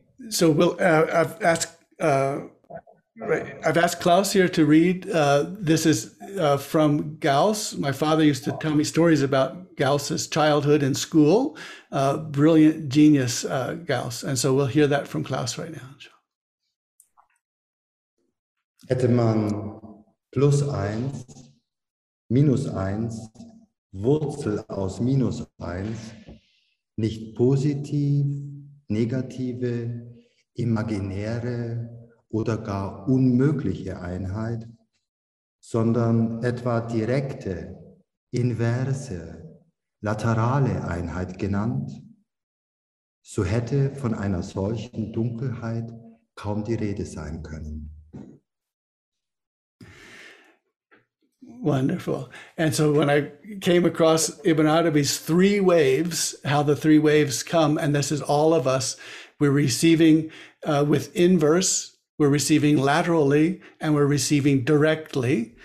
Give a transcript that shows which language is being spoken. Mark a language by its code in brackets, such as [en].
[en] So I've asked Klaus here to read. This is from Gauss. My father used to tell me stories about Gauss's childhood in school. Brilliant genius, Gauss. And so we'll hear that from Klaus right now. [de] Hätte man plus 1, minus 1, Wurzel aus minus 1 nicht positiv, negative, imaginäre oder gar unmögliche Einheit, sondern etwa direkte, inverse, laterale Einheit genannt, so hätte von einer solchen Dunkelheit kaum die Rede sein können. [en] Wonderful. And so when I came across Ibn Arabi's three waves, how the three waves come, and this is all of us, we're receiving with inverse, we're receiving laterally, and we're receiving directly.